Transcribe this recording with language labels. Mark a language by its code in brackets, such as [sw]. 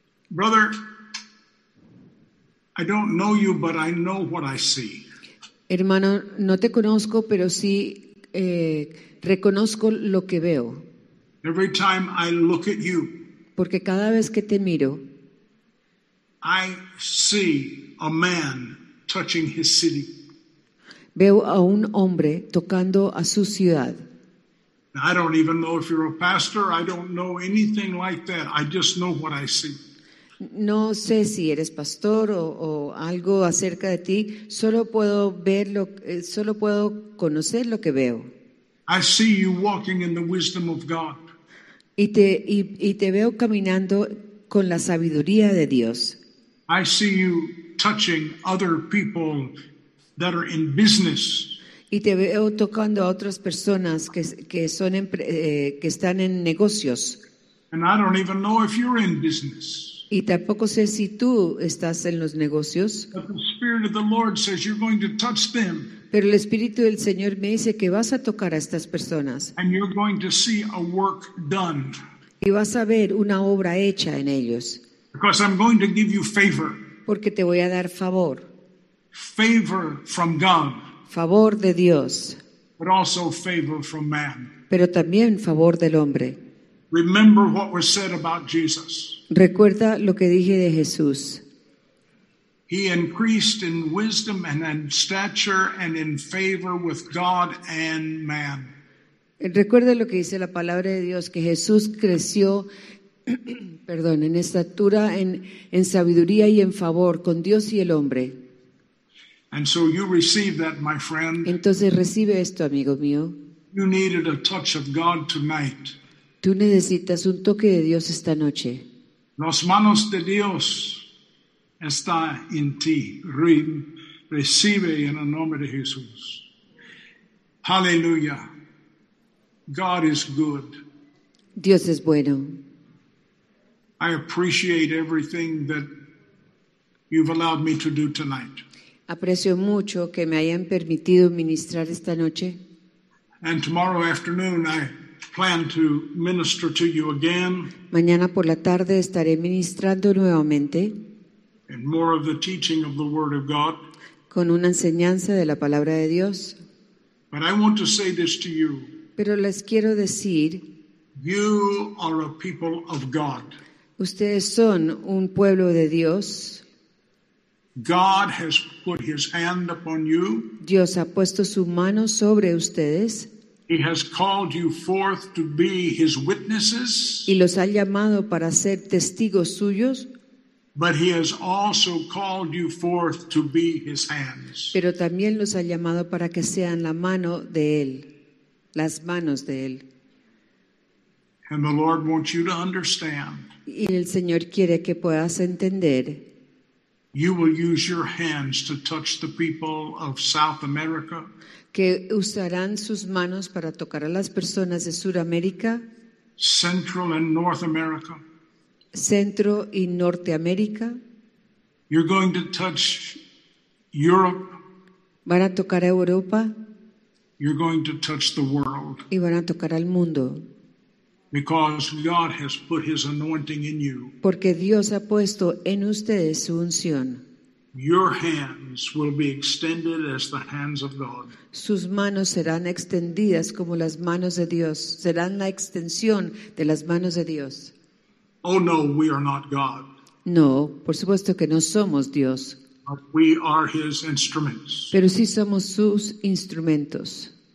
[en] Brother, I don't know you, but I know what I see. [es] Hermano, no te conozco, pero sí reconozco lo que veo. [en] Every time I look at you, [es] porque cada vez que te miro, [en] I see a man touching his city. [es] Veo a un hombre tocando a su ciudad. [en] I don't even know if you're a pastor. I don't know anything like that. I just know what I see. [es] No sé si eres pastor o algo acerca de ti. Solo puedo conocer lo que veo. [en] I see you walking in the wisdom of God. [es] Y te veo caminando con la sabiduría de Dios. [en] I see you touching other people that are in business. [es] Y te veo tocando a otras personas que están en negocios. [en] And I don't even know if you're in business. [es] Y tampoco sé si tú estás en los negocios. [en] But the Spirit of the Lord says you're going to touch them. [es] Pero el Espíritu del Señor me dice que vas a tocar a estas personas. [en] And you're going to see a work done. [es] Y vas a ver una obra hecha en ellos. [en] Because I'm going to give you favor. [es] Porque te voy a dar favor. [en] Favor from God. [es] Favor de Dios. [en] But also favor from man. [es] Pero también favor del hombre. [en] Remember what was said about Jesus. [es] Recuerda lo que dije de Jesús. [en] He increased in wisdom and in stature and in favor with God and man. [es] Recuerda lo que dice la palabra de Dios, que Jesús creció perdón, en estatura, en sabiduría y en favor con Dios y el hombre. [en] And so you receive that, my friend. [es] Entonces recibe esto, amigo mío. [en] You needed a touch of God tonight. [es] Tú necesitas un toque de Dios esta noche. Las manos de Dios están en ti. Recibe en el nombre de Jesús. Hallelujah. [en] God is good. [es] Dios es bueno. [en] I appreciate everything that you've allowed me to do tonight. [es] Aprecio mucho que me hayan permitido ministrar esta noche. [en] And tomorrow afternoon I plan to minister to you again. [es] Mañana por la tarde estaré ministrando nuevamente. [en] And more of the teaching of the Word of God. [es] Con una enseñanza de la palabra de Dios. [en] But I want to say this to you. [es] Pero les quiero decir. [en] You are a people of God. [es] Ustedes son un pueblo de Dios. [en] God has put his hand upon you. [es] Dios ha puesto su mano sobre ustedes. [en] He has called you forth to be his witnesses. [es] Y los ha llamado para ser testigos suyos. [en] But he has also called you forth to be his hands. [es] Pero también los ha llamado para que sean la mano de él, las manos de él. [en] And the Lord wants you to understand. [es] Y el Señor quiere que puedas entender. [en] You will use your hands to touch the people of South America. [es] Que usarán sus manos para tocar a las personas de Sudamérica. [en] Central and North America. [es] Centro y Norteamérica. [en] You're going to touch Europe. [es] Van a tocar a Europa. [en] You're going to touch the world. [es] Y van a tocar al mundo. [en] Because God has put his anointing in you. [es] Porque Dios ha puesto en ustedes su unción. [en] Your hands will be extended as the hands of God. [es] Sus manos serán extendidas como las manos de Dios. Serán la extensión de las manos de Dios. [en] Oh no, we are not God. [es] No, por supuesto que no somos Dios. [en] But we are his instruments. [es] Pero sí somos sus instrumentos.